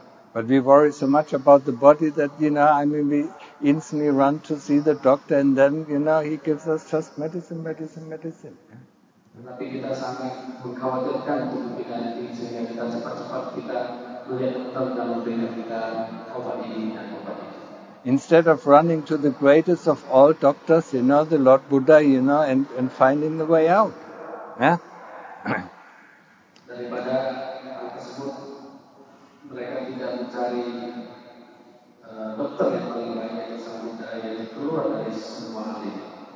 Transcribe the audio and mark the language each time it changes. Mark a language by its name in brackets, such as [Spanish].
[English] But we worry so much about the body that, you know, I mean, we instantly run to see the doctor, and then, you know, he gives us just medicine, medicine, medicine. [Indonesian] Tapi kita sangat mengkhawatirkan untuk kita nanti sehingga kita cepat-cepat kita melihat dokter dan memberikan kita obat ini dan obat itu. [English] Instead of running to the greatest of all doctors, you know, the Lord Buddha, you know, and finding the way out. Yeah? [Indonesian] Daripada hal tersebut, mereka tidak mencari dokter yang paling baik yang sang Buddha yang keluar dari semua hal ini.